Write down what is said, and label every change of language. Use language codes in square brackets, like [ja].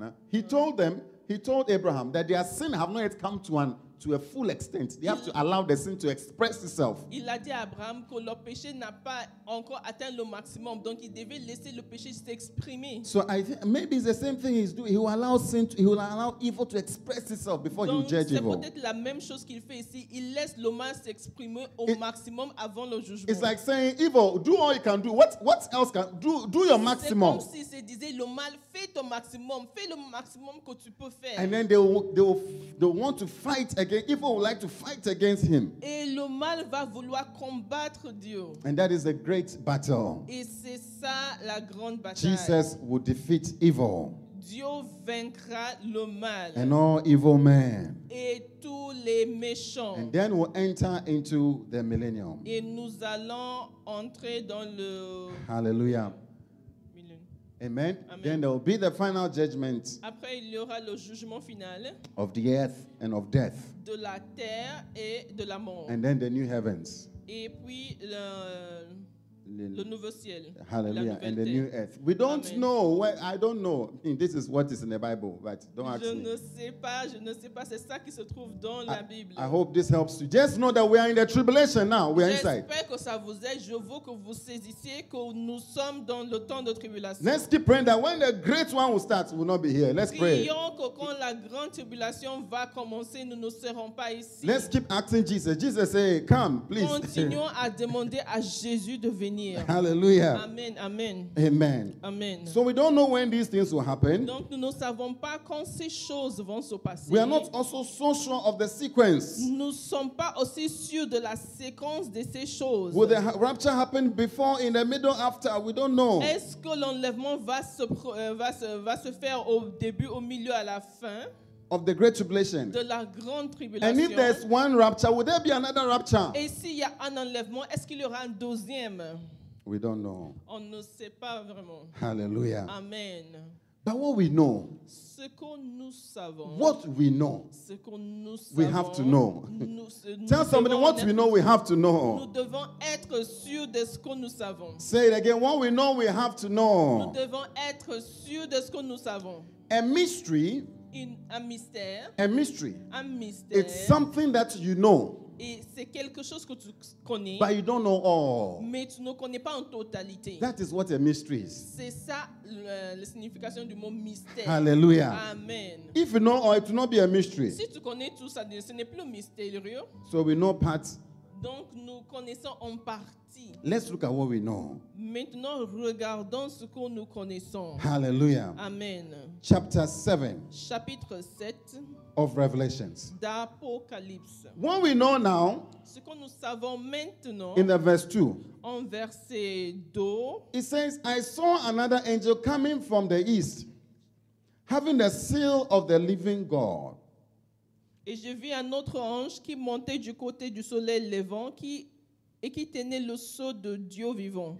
[en] he told Abraham that their sin have not yet come to an to a full extent. They have to allow the sin to express itself. [fr] Il a dit à Abraham que leur péché n'a pas encore atteint le maximum, donc il devait laisser le péché s'exprimer. [en] So I think maybe it's the same thing he's doing. He will allow evil to express itself before [fr] donc, [en] he judge [fr] c'est [en] evil. [fr] C'est peut-être la même chose qu'il fait ici. Il laisse le mal s'exprimer au maximum avant le jugement. [en] It's like saying evil, do all you can do. What else can do your maximum. [fr] C'est comme si c'est disait le mal, fais ton maximum, fais le maximum que tu peux faire. [en] And then they will want to fight. Again, evil would like to fight against him. [fr] Et le mal va vouloir combattre Dieu. [en] And that is a great battle. [fr] Et c'est ça la grande bataille. [en] Jesus will defeat evil. [fr] Dieu vaincra le mal. [en] And all evil men. [fr] Et tous les méchants. [en] And then we'll enter into the millennium. [fr] Et nous allons entrer dans le [en] Hallelujah. Amen. Then there will be the final judgment. [fr] Après, il y aura le jugement final [en] of the earth and of death. [fr] De la terre et de la mort. [en] And then the new heavens. [fr] Et puis le nouveau ciel. [en] Hallelujah. And the new earth. We don't Amen. Know. Where, I don't know. This is what is in the Bible, but don't ask [fr] je [en] me. [fr] Je ne sais pas. Je ne sais pas. C'est ça qui se trouve dans la Bible. [en] I hope this helps you. Just know that we are in the tribulation now. We are inside. [fr] J'espère que ça vous aide. Je veux que vous saisissiez que nous sommes dans le temps de tribulation. [en] Let's keep praying that when the great one will start, we will not be here. Let's pray. [fr] Prions que quand la grande tribulation va commencer, nous ne serons pas ici. [en] Let's keep asking Jesus. Jesus say, come, please. [fr] Continuons à demander à Jésus de venir. [en] Hallelujah. Amen. Amen. Amen. Amen. So we don't know when these things will happen. [fr] Donc nous ne savons pas quand ces choses vont se passer. [en] We are not also so sure of the sequence. [fr] Nous sommes pas aussi sûrs de la séquence de ces choses. [en] Will the rapture happen before, in the middle, after? We don't know. [fr] Est-ce que l'enlèvement va se faire au début, au milieu, à la fin? [en] Of the great tribulation. [fr] De la grande tribulation. [en] And if there's one rapture, would there be another rapture? [fr] Et s'il y a un enlèvement, est-ce qu'il y aura un deuxième? [en] We don't know. [fr] On ne sait pas vraiment. [en] Hallelujah. Amen. But what we know. [fr] Ce que nous savons. [en] What we know. [fr] Ce que nous savons. [en] We have to know. Tell somebody what we know, we have to know. [fr] Nous devons être sûrs de ce que nous savons. [en] Say it again. What we know, we have to know. [fr] Nous devons être sûrs de ce que nous savons. [en] A mystery. A mystery. It's something that you know. [fr] Et c'est quelque chose que tu connais. [en] But you don't know all. [fr] Mais tu ne connais pas en totalité. [en] That is what a mystery is. [fr] C'est ça la signification du mot mystère. [en] Hallelujah. Amen. If you know all, it will not be a mystery. [fr] Si tu connais tout ça, ce n'est plus mystérieux. [en] So we know parts. [fr] Donc nous connaissons en partie. [en] Let's look at what we know. [fr] Maintenant regardons ce que nous connaissons. [en] Hallelujah. Amen. Chapter 7. [fr] Chapitre 7. [en] Of Revelations. [fr] D'Apocalypse. [en] What we know now. [fr] Ce que nous savons maintenant. [en] In the verse 2. [fr] En verset 2. [en] It says, I saw another angel coming from the east, having the seal of the living God. [fr] Et je vis un autre ange qui montait du côté du soleil levant qui tenait le sceau de Dieu vivant.